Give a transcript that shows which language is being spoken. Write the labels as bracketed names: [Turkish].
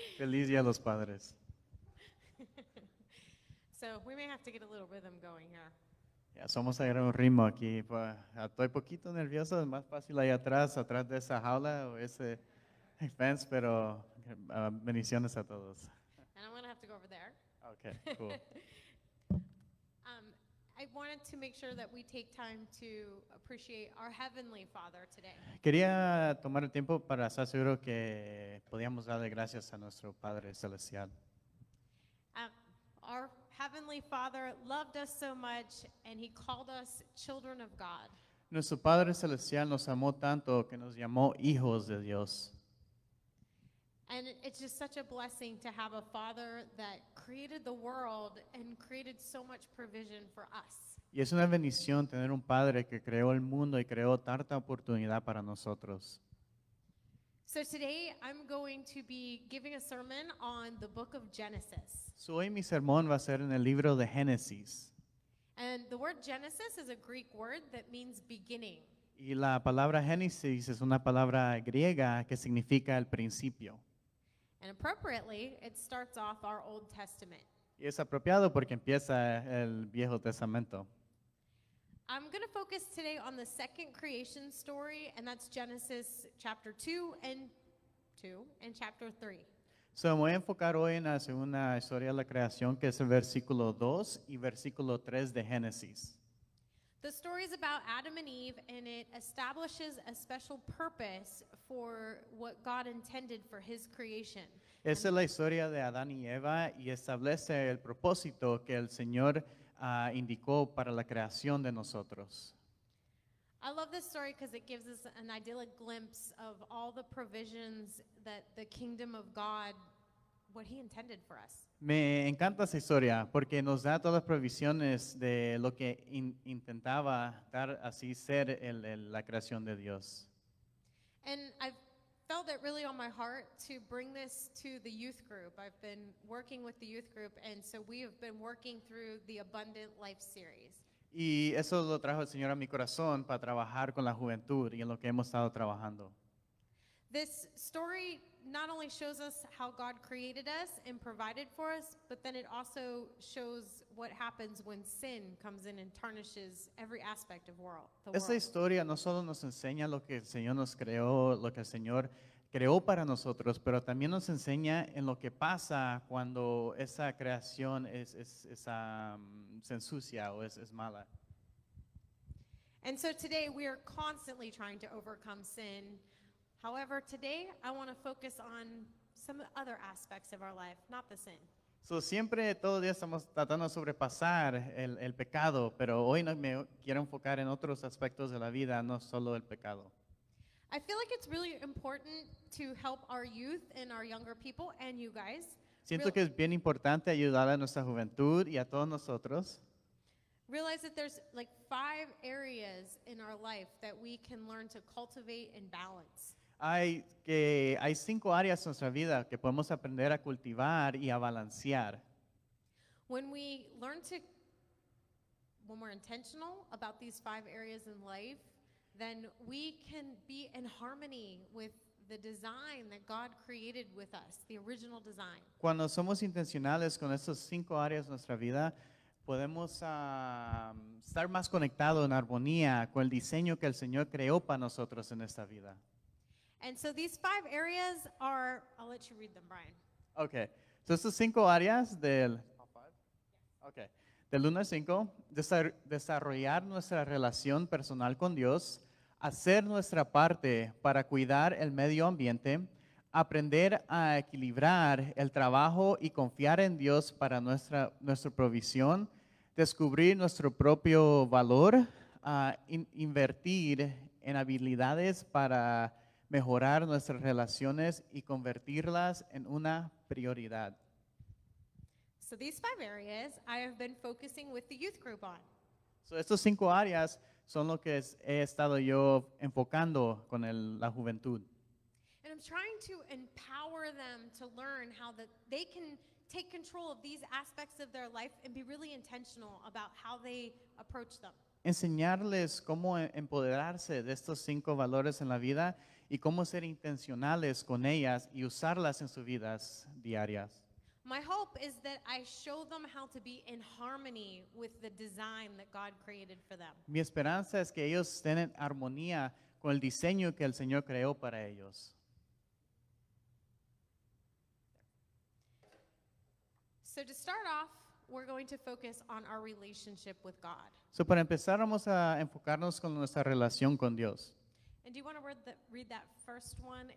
[Spanish] Feliz Día de los Padres. [English] So we may have to get a little rhythm going here. [Spanish] Ya somos a ir a un ritmo aquí. Estoy poquito nervioso, es más fácil ahí atrás de esa jaula o ese fence, pero bendiciones a todos. [English] And I'm going to have to go over there. Okay, cool. I wanted to make sure that we take time to appreciate our Heavenly Father today. [Spanish] Quería tomar el tiempo para estar seguro que podíamos darle gracias a nuestro Padre Celestial. [English] Our Heavenly Father loved us so much, and He called us children of God. [Spanish] Nuestro Padre Celestial nos amó tanto que nos llamó hijos de Dios. [English] And it's just such a blessing to have a father that created the world and created so much provision for us. [Spanish] Y es una bendición tener un padre que creó el mundo y creó tanta oportunidad para nosotros. [English] So today I'm going to be giving a sermon on the book of Genesis. [Spanish] So hoy mi sermón va a ser en el libro de Génesis. [English] And the word Genesis is a Greek word that means beginning. [Spanish] Y la palabra Génesis es una palabra griega que significa el principio. [English] And appropriately, it starts off our Old Testament. [Spanish] Y es apropiado porque empieza el Viejo Testamento. [English] I'm going to focus today on the second creation story, and that's Genesis chapter 2 and chapter 3. [Spanish] So me voy a enfocar hoy en la segunda historia de la creación, que es el versículo 2 y versículo 3 de Génesis. [English] The story is about Adam and Eve, and it establishes a special purpose for what God intended for His creation. [Spanish] Esa es la historia de Adán y Eva, y establece el propósito que el Señor indicó para la creación de nosotros. [English] I love this story because it gives us an idyllic glimpse of all the provisions that the kingdom of God, what He intended for us. [Spanish] Me encanta esa historia porque nos da todas las provisiones de lo que intentaba dar así ser la creación de Dios. [English] And I felt it really on my heart to bring this to the youth group. I've been working with the youth group, and so we have been working through the Abundant Life series. [Spanish] Y eso lo trajo el Señor a mi corazón para trabajar con la juventud y en lo que hemos estado trabajando. [English] This story not only shows us how God created us and provided for us, but then it also shows what happens when sin comes in and tarnishes every aspect of the world. [Spanish] Esta historia no solo nos enseña lo que el Señor nos creó, lo que el Señor creó para nosotros, pero también nos enseña en lo que pasa cuando esa creación se ensucia o es mala. [English] And so today we are constantly trying to overcome sin. However, today I want to focus on some other aspects of our life, not the sin. [Spanish] So siempre, todo día estamos tratando de sobrepasar el pecado, pero hoy me quiero enfocar en otros aspectos de la vida, no solo el pecado. [English] I feel like it's really important to help our youth and our younger people and you guys. [Spanish] Siento que es bien importante ayudar a nuestra juventud y a todos nosotros. [English] Realize that there's like 5 areas in our life that we can learn to cultivate and balance. [Spanish] Hay 5 áreas en nuestra vida que podemos aprender a cultivar y a balancear. [English] When we're intentional about these 5 areas in life, then we can be in harmony with the design that God created with us, the original design. [Spanish] Cuando somos intencionales con esas 5 áreas de nuestra vida, podemos estar más conectados en armonía con el diseño que el Señor creó para nosotros en esta vida. [English] And so these 5 areas are, I'll let you read them, Brian. [Spanish] Okay. So estas 5 áreas del... Okay. Del 1 al 5, desarrollar nuestra relación personal con Dios, hacer nuestra parte para cuidar el medio ambiente, aprender a equilibrar el trabajo y confiar en Dios para nuestra provisión, descubrir nuestro propio valor, invertir en habilidades para mejorar nuestras relaciones y convertirlas en una prioridad. [English] So these five areas I have been focusing with the youth group on. [Spanish] So estos cinco áreas son lo que he estado yo enfocando con la juventud. [English] And I'm trying to empower them to learn how that they can take control of these aspects of their life and be really intentional about how they approach them. [Spanish] Enseñarles cómo empoderarse de estos cinco valores en la vida y cómo ser intencionales con ellas y usarlas en sus vidas diarias. [English] My hope is that I show them how to be in harmony with the design that God created for them. [Spanish] Mi esperanza es que ellos estén en armonía con el diseño que el Señor creó para ellos. [English] So to start off, we're going to focus on our relationship with God. [Spanish] So para empezar, vamos a enfocarnos con nuestra relación con Dios. [English] And do you want to read that first one?